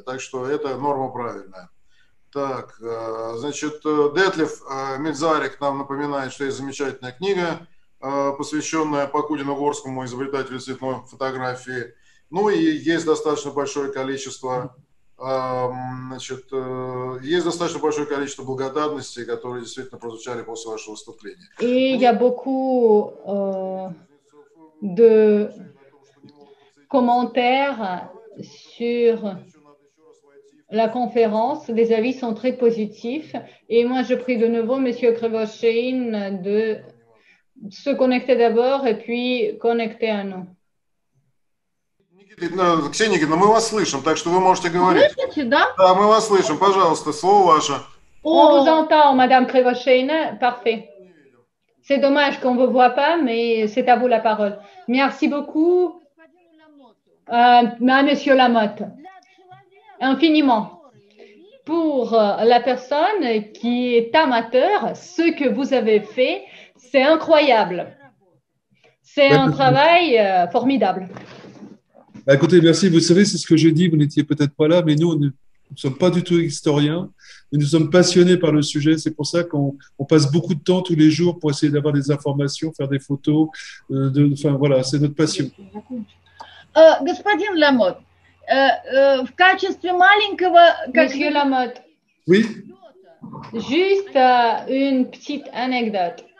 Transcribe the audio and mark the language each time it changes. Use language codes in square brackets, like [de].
[ru] Так что это норма правильная. Так, значит, Детлев Мельзарик нам напоминает, что есть замечательная книга, посвященная Покудино-Горскому, изобретателю цветной фотографии. Ну и есть достаточно большое количество, значит, есть достаточно большое количество благодарностей, которые действительно прозвучали после вашего выступления. И я [fr] beaucoup de commentaires sur la conférence, les avis sont très positifs. Et moi, je prie de nouveau M. Krivosheyn de se connecter d'abord et puis connecter à nous. [ru] Ксения Никитина, мы вас слышим, так что вы можете говорить. Слышите, да? Да, мы вас слышим. Пожалуйста, слово ваше. [fr] On vous entend, Madame Krivosheyn. Parfait. C'est dommage qu'on ne vous voit pas, mais c'est à vous la parole. Merci beaucoup à M. Lamotte. Infiniment. Pour la personne qui est amateur, ce que vous avez fait, c'est incroyable. C'est un travail formidable. Bah, écoutez, merci. Vous savez, c'est ce que j'ai dit, vous n'étiez peut-être pas là, mais nous, nous ne sommes pas du tout historiens, mais nous sommes passionnés par le sujet. C'est pour ça qu'on passe beaucoup de temps tous les jours pour essayer d'avoir des informations, faire des photos. Enfin, voilà, c'est notre passion. [ru] Господин Ламотт, в качестве маленького, как Monsieur Lamotte. [fr] Oui. Juste une petite anecdote.